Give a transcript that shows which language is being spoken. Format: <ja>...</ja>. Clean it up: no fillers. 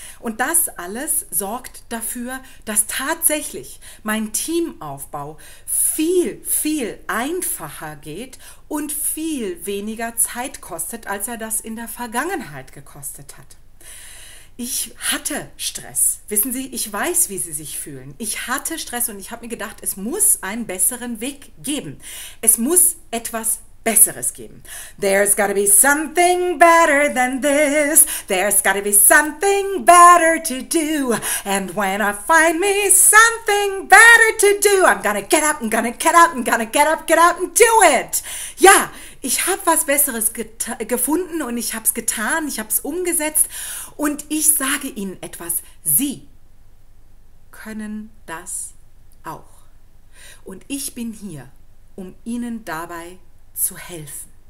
<de>Und das alles sorgt dafür, dass tatsächlich mein Teamaufbau viel, viel einfacher geht und viel weniger Zeit kostet, als er das in der Vergangenheit gekostet hat. Ich hatte Stress. Wissen Sie, ich weiß, wie Sie sich fühlen. Ich hatte Stress und ich habe mir gedacht, es muss einen besseren Weg geben. Es muss etwas Besseres geben.</de> <en>There's gotta be something better than this. There's gotta be something better to do. And when I find me something better to do, I'm gonna get up, I'm gonna get up, I'm gonna get up and do it.</en> <de>Ja. Ich habe was Besseres gefunden und ich habe es getan, ich habe es umgesetzt und ich sage Ihnen etwas. Sie können das auch. Und ich bin hier, um Ihnen dabei zu helfen.</de>